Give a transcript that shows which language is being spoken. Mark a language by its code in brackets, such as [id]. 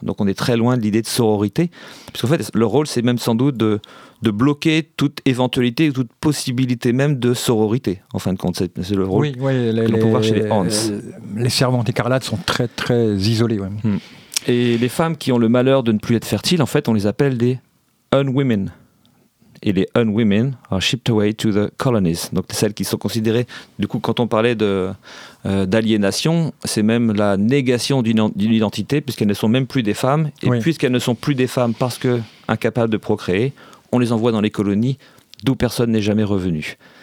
[fr] Donc on est très loin de l'idée de sororité. Parce qu'en fait, leur rôle, c'est même sans doute de bloquer toute éventualité ou toute possibilité même de sororité, en fin de compte. C'est le rôle qu'on peut voir chez les aunts. Les servantes écarlates sont très, très isolées. Ouais. Et les femmes qui ont le malheur de ne plus être fertiles, en fait, on les appelle des unwomen. [en] Et les unwomen are shipped away to the colonies. [fr] Donc celles qui sont considérées, du coup, quand on parlait d'aliénation, c'est même la négation d'une identité, puisqu'elles ne sont même plus des femmes. Et oui. Puisqu'elles ne sont plus des femmes parce qu'incapables de procréer, on les envoie dans les colonies d'où personne n'est jamais revenu.